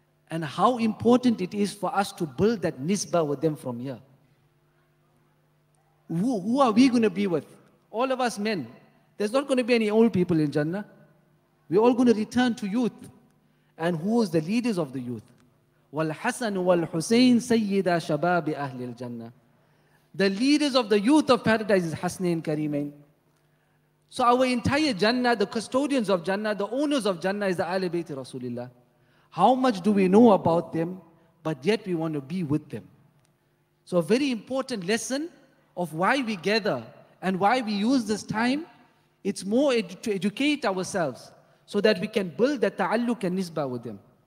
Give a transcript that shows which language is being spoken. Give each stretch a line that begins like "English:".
English: And how important it is for us to build that nisbah with them from here. Who are we going to be with? All of us men. There's not going to be any old people in Jannah. We're all going to return to youth. And who is the leaders of the youth?
Arabic: والحسن والحسين سيدا شباب أهل الجنة.
English: The leaders of the youth of paradise is Hasnain Kareemain. So our entire Jannah, the custodians of Jannah, the owners of Jannah is the Ahlul Bayt Rasulullah. How much do we know about them, but yet we want to be with them? So a very important lesson of why we gather and why we use this time, it's more to educate ourselves so that we can build that ta'alluq and nisbah with them.